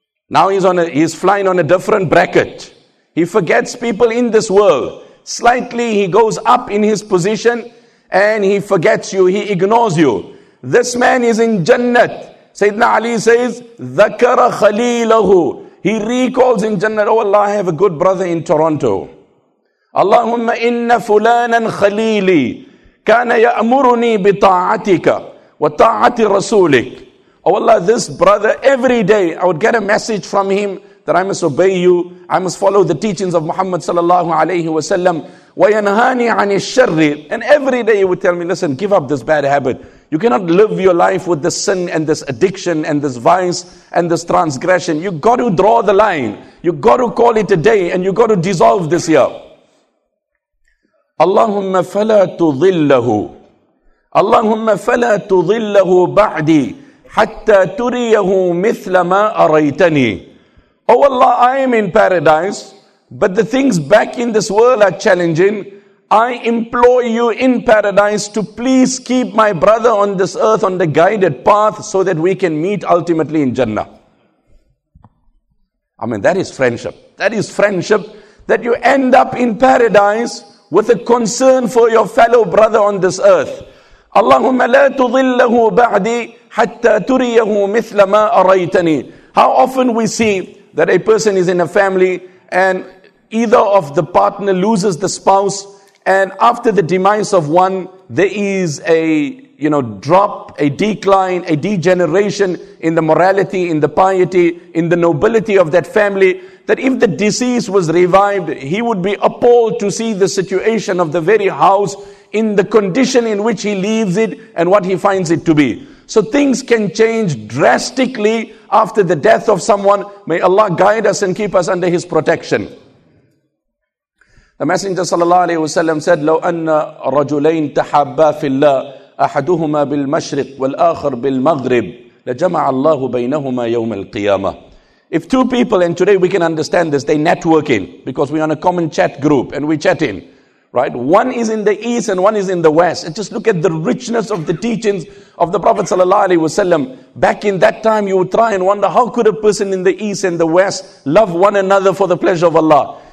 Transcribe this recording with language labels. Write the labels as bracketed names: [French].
[English] Now he's flying on a different bracket. He forgets people in this world. Slightly he goes up in his position and he forgets you, he ignores you. This man is in Jannat. Sayyidina Ali says, [Arabic] ذَكَرَ خَلِيلَهُ. [English] He recalls in Jannat, oh Allah, I have a good brother in Toronto. [Arabic] اللهم إن فلانا خليلي كان يأمرني بطاعتك. وَطَاعَةِ رَسُولِكَ. [English] Oh Allah, this brother, every day I would get a message from him that I must obey you, I must follow the teachings of Muhammad sallallahu alayhi wa sallam. [Arabic] وَيَنْهَانِ عَنِ الشَّرِّ. [English] And every day he would tell me, listen, give up this bad habit. You cannot live your life with this sin and this addiction and this vice and this transgression. You got to draw the line. You got to call it a day and you got to dissolve this year. [Arabic] اللَّهُمَّ فَلَا تُضِلَّهُ. اللهم فلا تضله بعدي حتى تريه مثل ما أريتني. [English] Oh Allah, I am in paradise, but the things back in this world are challenging. I implore you in paradise to please keep my brother on this earth on the guided path so that we can meet ultimately in Jannah. I mean, that is friendship. That is friendship that you end up in paradise with a concern for your fellow brother on this earth. [Arabic] اللهم لا تضله بعدي حتى تريه مثل ما أريتني. [English] How often we see that a person is in a family and either of the partner loses the spouse, and after the demise of one, there is a, you know, drop, a decline, a degeneration in the morality, in the piety, in the nobility of that family, that if the deceased was revived, he would be appalled to see the situation of the very house in the condition in which he leaves it and what he finds it to be. So things can change drastically after the death of someone. May Allah guide us and keep us under his protection. The Messenger sallallahu alaihi wasallam said, [Arabic] لو أن رجلين تحبا في الله أحدهما بالمشرق والآخر بالمغرب لجمع الله بينهما يوم القيامة. [English] If two people, and today we can understand this, they network in because we're on a common chat group and we chat in. Right, one is in the east and one is in the west. And just look at the richness of the teachings of the Prophet sallallahu alaihi wasallam. Back in that time, you would try and wonder, how could a person in the east and the west love one another for the pleasure of Allah?